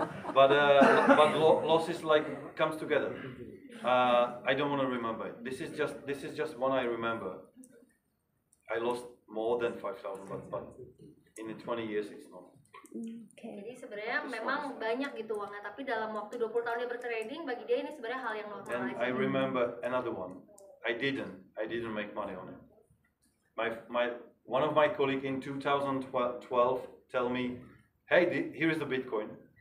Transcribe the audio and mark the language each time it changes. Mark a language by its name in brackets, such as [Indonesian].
[English] But losses like comes together. I don't want to remember it. This is just one I remember. I lost more than 5,000, but in the 20 years it's not. Okay. [Indonesian] Jadi sebenarnya memang banyak gitu uangnya, tapi dalam waktu 20 tahun dia bertrading, bagi dia ini sebenarnya hal yang normal aja. [English] And I remember another one. I didn't make money on it. My one of my colleague in 2012 tell me, hey, here is the Bitcoin.